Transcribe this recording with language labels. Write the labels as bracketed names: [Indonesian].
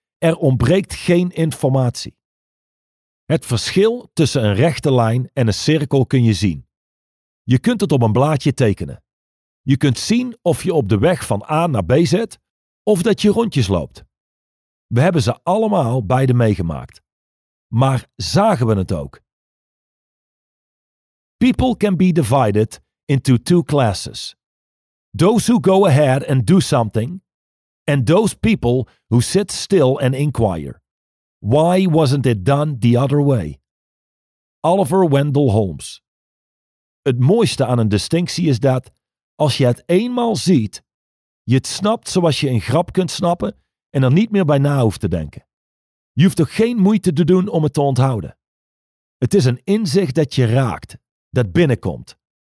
[Dutch] Er ontbreekt geen informatie. Het verschil tussen een rechte lijn en een cirkel kun je zien. Je kunt het op een blaadje tekenen. Je kunt zien of je op de weg van A naar B zit of dat je rondjes loopt. We hebben ze allemaal beide meegemaakt. Maar zagen we het ook? [English] People can be divided into two classes. Those who go ahead and do something, and those people who sit still and inquire. Why wasn't it done the other way? Oliver Wendell Holmes. [Dutch] Het mooiste aan een distinctie is dat, als je het eenmaal ziet, je het snapt zoals je een grap kunt snappen en er niet meer bij na hoeft te denken. Je hoeft toch geen moeite te doen om het te onthouden. Het is een inzicht dat je raakt, dat binnenkomt.